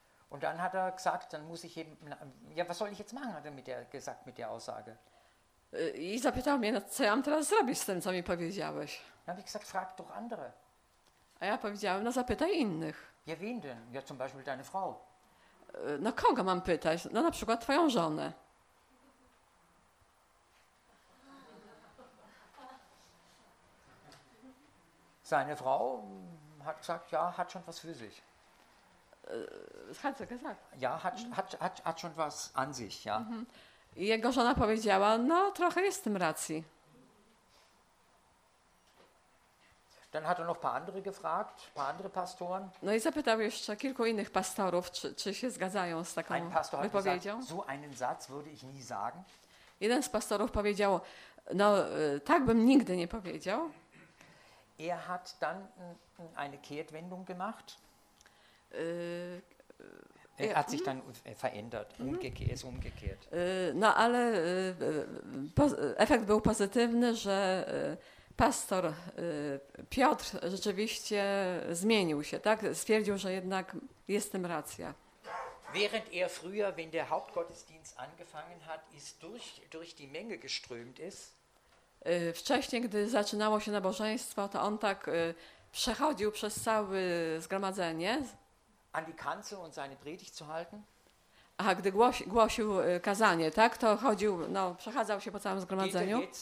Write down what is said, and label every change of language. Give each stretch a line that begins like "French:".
German: Und dann hat er gesagt, dann muss ich eben, ja, was soll ich jetzt machen, hat er mit der gesagt mit der Aussage.
Polish: I zapytał mnie, no, co ja mam teraz zrobić z tym, co mi powiedziałeś.
German: Dann habe ich gesagt, frag doch andere.
Polish: A ja powiedziałem, no zapytaj innych.
German: Ja, wen denn? Ja, zum Beispiel deine Frau.
Polish: No kogo mam pytać? No na przykład twoją żonę.
German: Seine Frau hat gesagt, ja, hat schon was für sich. Was hat sie gesagt? Ja, hat schon was an sich, ja. Mhm.
Polish: Jego żona powiedziała, no trochę jest w tym racji.
German: Dann hat er noch paar andere gefragt, paar andere Pastoren.
Polish: No i zapytał jeszcze kilku innych pastorów, czy się zgadzają z taką
German: Ein Pastor
Polish: wypowiedzią.
German: Hat gesagt, so einen Satz würde ich nie sagen.
Polish: Jeden z pastorów powiedział, no tak bym nigdy nie powiedział.
German: Er hat dann eine Kehrtwendung gemacht. Er hat sich dann verändert, umgekehrt.
Polish: No ale efekt był pozytywny, że pastor Piotr rzeczywiście zmienił się, tak? Stwierdził, że jednak jest tym racja.
German: Während er früher, wenn der Hauptgottesdienst angefangen hat, ist durch die Menge geströmt ist.
Polish: Wcześniej, gdy zaczynało się nabożeństwo, to on tak przechodził przez całe zgromadzenie.
German: An die Kanzel und seine Predigt zu halten.
Polish: A gdy głosił kazanie, tak, to chodził, no, przechadzał się po całym zgromadzeniu.